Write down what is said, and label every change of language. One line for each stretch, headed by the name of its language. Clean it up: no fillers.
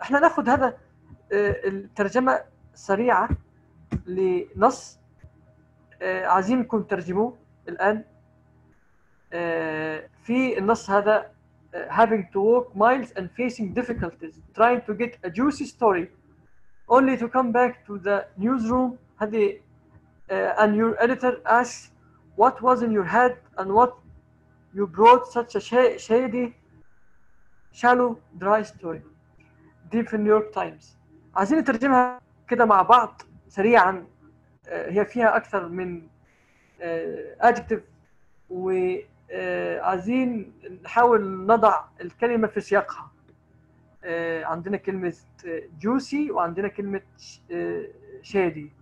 Arabic: احنا ناخذ هذا الترجمة سريعة لنص عايزينكم ترجموه الآن. في النص هذا
English: having to walk miles and facing difficulties trying to get a juicy story only to come back to the newsroom
Arabic: هذه
English: and your editor asks what was in your head and what you brought such a shady shallow dry story deep in New York Times.
Arabic: عايزين نترجمها كده مع بعض سريعا. هي فيها أكثر من adjective و عايزين نحاول نضع الكلمة في سياقها. عندنا كلمة juicy وعندنا كلمة shady.